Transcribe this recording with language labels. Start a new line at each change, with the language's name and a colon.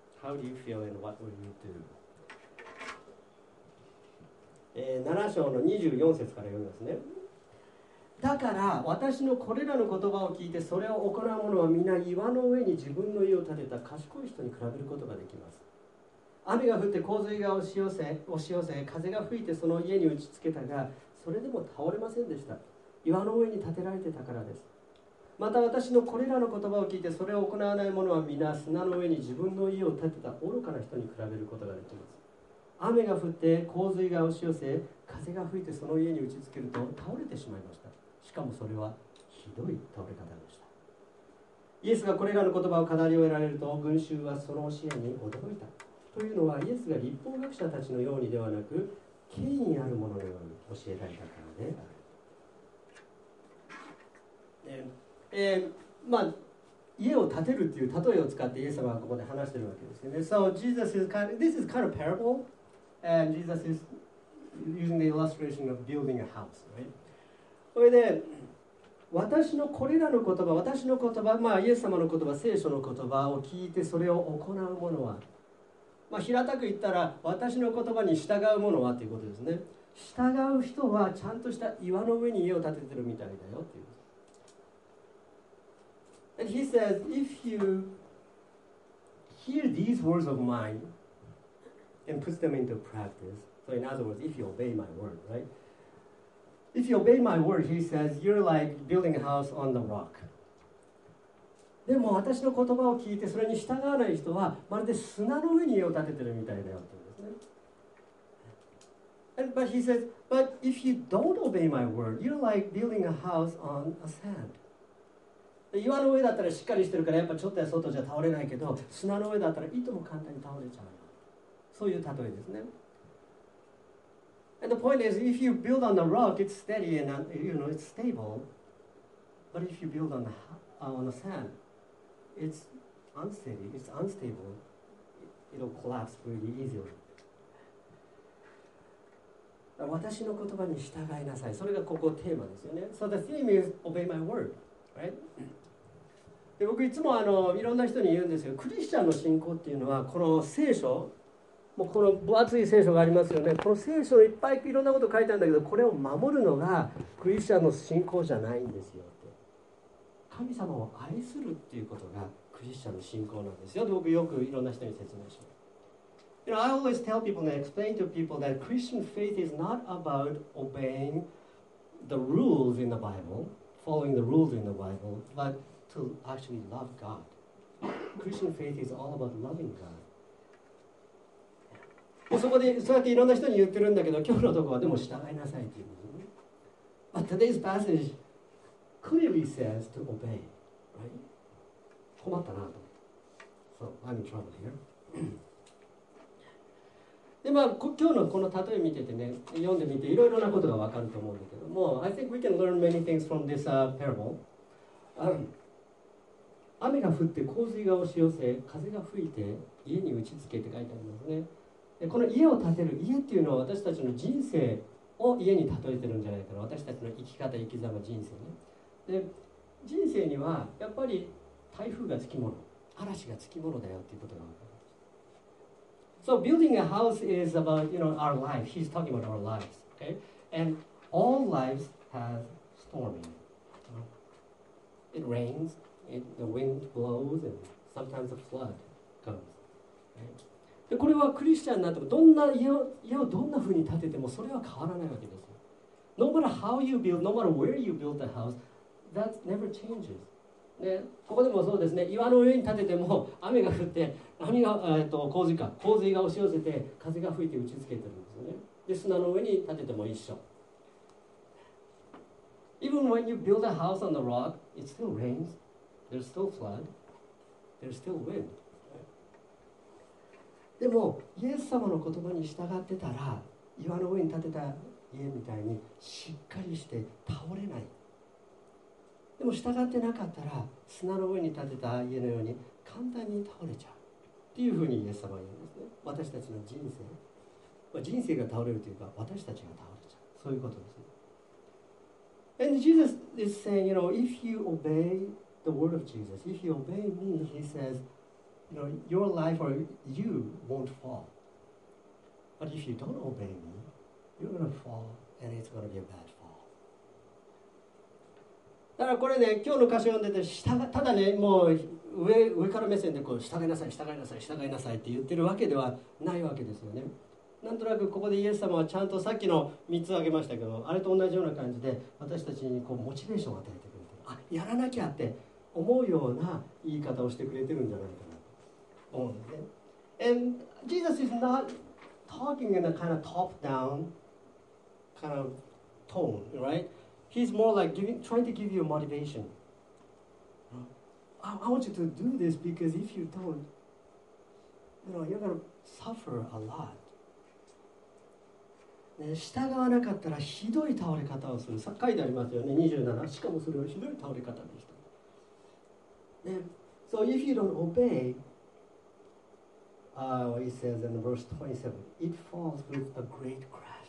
English: How do you feel and what will you do?
Japanese: 7章の24節から読みますね。だから私のこれらの言葉を聞いてそれを行う者は皆岩の上に自分の家を建てた賢い人に比べることができます。雨が降って洪水が押し寄せ、風が吹いてその家に打ちつけたが、それでも倒れませんでした。岩の上に建てられてたからです。また私のこれらの言葉を聞いて、それを行わない者は皆砂の上に自分の家を建てた愚かな人に比べることができます。雨が降って洪水が押し寄せ、風が吹いてその家に打ちつけると倒れてしまいました。しかもそれはひどい倒れ方でした。イエスがこれらの言葉を語り終えられると、群衆はその教えに驚いた。というのはイエスが律法学者たちのようにではなく権威あるもののように教えられたからで、まあ、家を建てるという例えを使ってイエス様はここで話しているわけですよね。
English: So Jesus is kind of, this is kind of parable and Jesus is using the illustration of building a house, right?
Japanese: それで私のこれらの言葉、私の言葉、まあ、イエス様の言葉、聖書の言葉を聞いてそれを行うものは、まあ、平たく言ったら私の言葉に従うものはということですね。従う人はちゃんとした岩の上に家を建ててるみたいだよっていう。
English: And he says, if you hear these words of mine and put them into practice, so in other words, if you obey my word, right? If you obey my word, he says, you're like building a house on the rock.
Japanese: でも私の言葉を聞いてそれに従わない人はまるで砂の上に家を建ててるみたいだよって言うんですね。
English: But he says, but if you don't obey my word, you're like building a house on a sand.
Japanese: 岩の上だったらしっかりしてるからやっぱちょっとや外じゃ倒れないけど、砂の上だったらいとも簡単に倒れちゃうよ。そういう例えですね。
English: And the point is, if you build on the rock, it's steady and you know, it's stable. But if you build on the sand,It's unsteady, it's unstable. It'll collapse really easily.
Japanese: 私の言葉に従いなさい。それがここテーマですよね。
English: So the theme is obey my word, right?
Japanese: で僕いつもいろんな人に言うんですよ。クリスチャンの信仰っていうのはこの聖書、もうこの分厚い聖書がありますよね。この聖書のいっぱいいろんなこと書いてあるんだけど、これを守るのがクリスチャンの信仰じゃないんですよって。神様を愛するっていうことがクリスチャンの信仰なんですよ。で僕よくいろんな人に説明します。
English: You know, I always tell people and explain to people that Christian faith is not about obeying the rules in the Bible, following the rules in the Bible, but to actually love God. Christian faith is all about loving God.
Japanese: そこでそうやっていろんな人に言ってるんだけど、今日のところはでも従いなさいっていうことね。
English: But today's passage clearly says to obey, right?
Japanese: 困ったなと。
English: So I'm in trouble here.
Japanese: でまあ、今日のこの例え見ててね、読んでみていろいろなことがわかると思うんだけども、
English: I think we can learn many things from this parable.
Japanese: 雨が降って洪水が押し寄せ、風が吹いて家に打ちつけって書いてありますね。でこの家を建てる、家っていうのは私たちの人生を家に例えてるんじゃないかな。私たちの生き方、生き様、人生ね。で人生にはやっぱり台風がつきもの、嵐がつきものだよっていうことがわかる。
English: So building a house is about, you know, our life. He's talking about our lives, okay? And all lives have storming. It rains, the wind blows, and sometimes a flood comes.
Japanese: で、これはクリスチャンになっても、どんな家をどんな風に建ててもそれは変わらないわけですよ。
English: No matter how you build, no matter where you build the house, that never changes.
Japanese: ね、ここでもそうですね。岩の上に建てても雨が降って波が、洪水が押し寄せて風が吹いて打ちつけてるんですよね。で砂の上に建てても一緒。
English: Even when you build a house on the rock, it still rains, there's still flood, there's still wind.
Japanese: でもイエス様の言葉に従ってたら、岩の上に建てた家みたいにしっかりして倒れない。でも従ってなかったら砂の上に建てた家のように簡単に倒れちゃうっていうふうにイエス様は言うんですね。私たちの人生、人生が倒れるというか私たちが倒れちゃう、そういうことですね。
English: And Jesus is saying, you know, if you obey the word of Jesus, if you obey me, he says, you know, your life or you won't fall. But if you don't obey me, you're going to fall and it's going to be a bad fall.
Japanese: だからこれね、今日の歌詞を読んでて、ただね、もう 上から目線でこう従いなさい、従いなさい、従いなさいって言ってるわけではないわけですよね。なんとなくここでイエス様はちゃんとさっきの3つ挙げましたけど、あれと同じような感じで私たちにこうモチベーションを与えてくれてる。あ、やらなきゃって思うような言い方をしてくれてるんじゃないかなと思うんですね。
English: And Jesus is not talking in a kind of top-down kind of tone, right? He's more like trying to give you motivation. I want you to do this because if you don't, you know, you're going to suffer a lot.、
Japanese: ね、従わなかったらひどい倒れ方をする。書いてありますよね、27。しかもそれはひどい倒れ方でした。
English: ね、so if you don't obey,、he says in verse 27, it falls with a great crash.